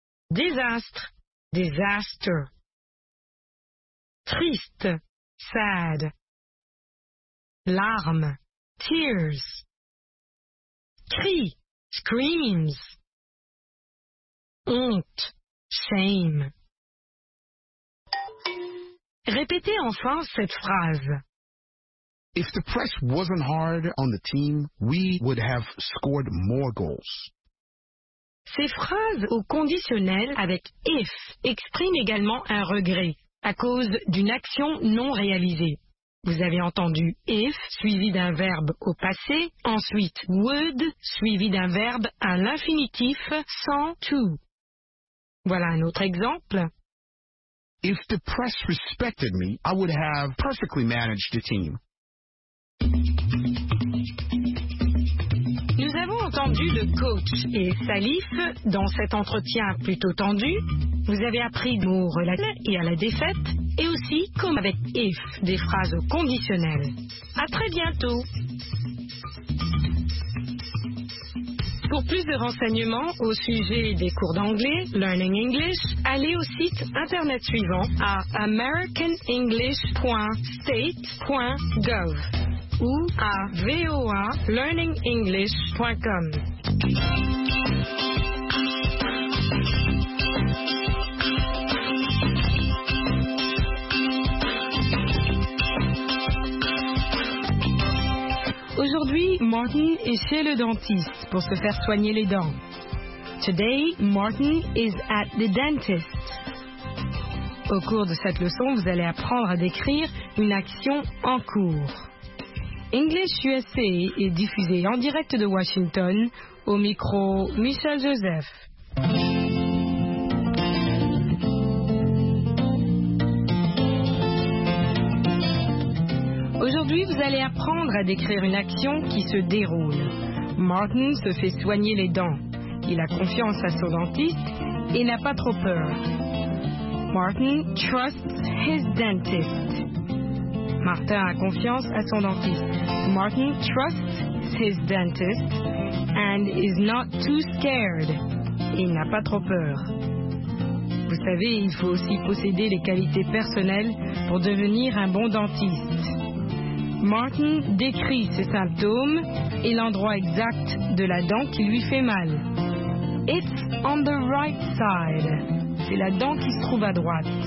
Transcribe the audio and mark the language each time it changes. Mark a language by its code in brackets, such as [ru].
[fr] Désastre. Disaster. Triste. Sad. Larmes. Tears. Cri. Screams. Honte. Shame. Répétez enfin cette phrase. [en] If the press wasn't hard on the team, we would have scored more goals. [fr] Ces phrases au conditionnel avec « if » expriment également un regret à cause d'une action non réalisée. Vous avez entendu « if » suivi d'un verbe au passé, ensuite « would » suivi d'un verbe à l'infinitif sans « to ». Voilà un autre exemple. [en] If the press respected me, I would have perfectly managed the team. [fr] Nous avons entendu le coach et Salif dans cet entretien plutôt tendu. Vous avez appris le mot relatif et à la défaite, et aussi comme avec if, des phrases conditionnelles. À très bientôt. Pour plus de renseignements au sujet des cours d'anglais, Learning English, allez au site internet suivant à americanenglish.state.gov ou à voalearningenglish.com. Aujourd'hui, Martin est chez le dentiste pour se faire soigner les dents. [en] Today, Martin is at the dentist. [fr] Au cours de cette leçon, vous allez apprendre à décrire une action en cours. English USA est diffusé en direct de Washington au micro Michel Joseph. Aujourd'hui, vous allez apprendre à décrire une action qui se déroule. Martin se fait soigner les dents. Il a confiance à son dentiste et n'a pas trop peur. [en] Martin trusts his dentist. [fr] Martin a confiance à son dentiste. [en] Martin trusts his dentist and is not too scared. [fr] Il n'a pas trop peur. Vous savez, il faut aussi posséder les qualités personnelles pour devenir un bon dentiste. Martin décrit ses symptômes et l'endroit exact de la dent qui lui fait mal. [en] It's on the right side. [fr] C'est la dent qui se trouve à droite.